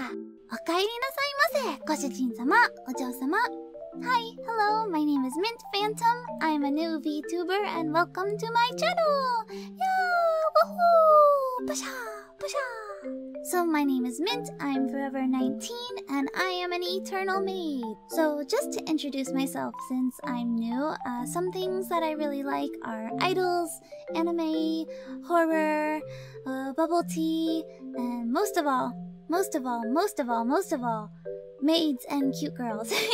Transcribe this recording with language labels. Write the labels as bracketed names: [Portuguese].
[Japanese] お帰りなさいませ、ご主人様、お嬢様。 [English] Hi, hello, my name is Mint Phantom. I'm a new VTuber and welcome to my channel! やー、ワッホー、パシャー、パシャー。 So my name is Mint, I'm forever 19 and I am an eternal maid. So just to introduce myself since I'm new, some things that I really like are idols, anime, horror, bubble tea, and most of all, maids and cute girls.